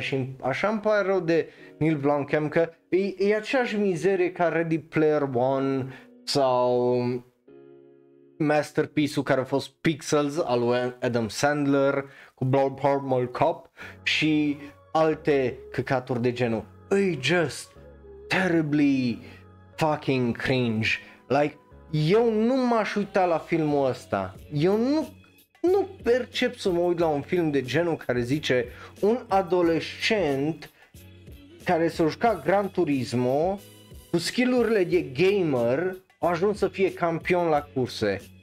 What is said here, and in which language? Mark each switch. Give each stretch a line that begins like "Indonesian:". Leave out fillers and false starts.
Romanian: Și așa îmi pare rău de Neil Blomkamp, că e aceeași mizerie ca Ready Player One sau masterpiece-ul care a fost Pixels al lui Adam Sandler cu Blood Purple Cop și alte căcaturi de genul.
English: E just terribly fucking cringe.
Romanian: Like, eu nu m-aș uita la filmul ăsta. Eu nu percep să mă uit la un film de genul care zice un adolescent care s-a jucat Gran Turismo cu skillurile de gamer a ajuns să fie campion la curse.